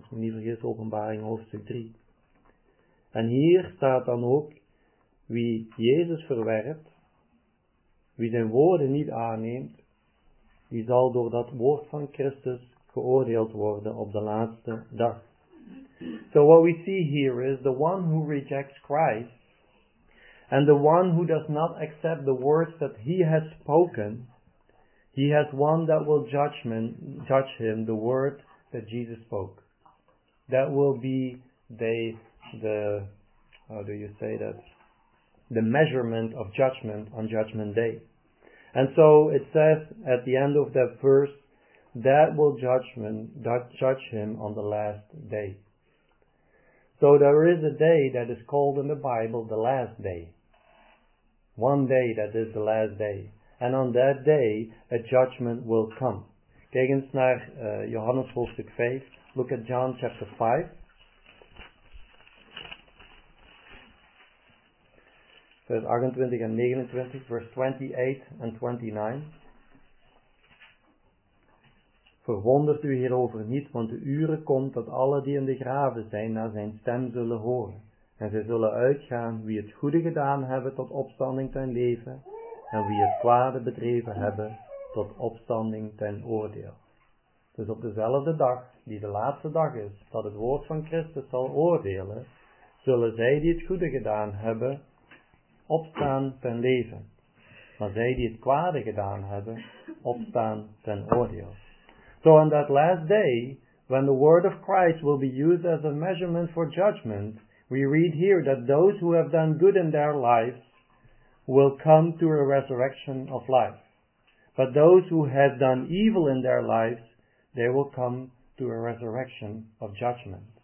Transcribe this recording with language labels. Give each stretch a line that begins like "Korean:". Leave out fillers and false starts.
Dutch: Als ik niet vergis, Openbaring hoofdstuk 3. En hier staat dan ook, wie Jezus verwerpt, wie zijn woorden niet aanneemt, die zal door dat woord van Christus geoordeeld worden op de laatste dag.
English: So what we see here is, the one who rejects Christ, and the one who does not accept the words that he has spoken, he has one that will judge him, the word that Jesus spoke. That will be the measurement of judgment on judgment day. And so it says at the end of that verse, that will judge him on the last day. So there is a day that is called in the Bible the last day. One day that is the last day. And on that day, a judgment will come.
Dutch: Kijk eens naar Johannes hoofdstuk 5.
English: Look at John chapter 5.
Dutch: Vers 28 en 29. Vers 28 en 29. Verwondert u hierover niet, want de uren komt dat alle die in de graven zijn naar zijn stem zullen horen. En zij zullen uitgaan wie het goede gedaan hebben tot opstanding ten leven, en wie het kwade bedreven hebben tot opstanding ten oordeel. Dus op dezelfde dag, die de laatste dag is, dat het woord van Christus zal oordelen, zullen zij die het goede gedaan hebben opstaan ten leven. Maar zij die het kwade gedaan hebben, opstaan ten oordeel.
English: So on that last day, when the word of Christ will be used as a measurement for judgment, we read here that those who have done good in their lives will come to a resurrection of life. But those who have done evil in their lives, they will come to a resurrection of judgment.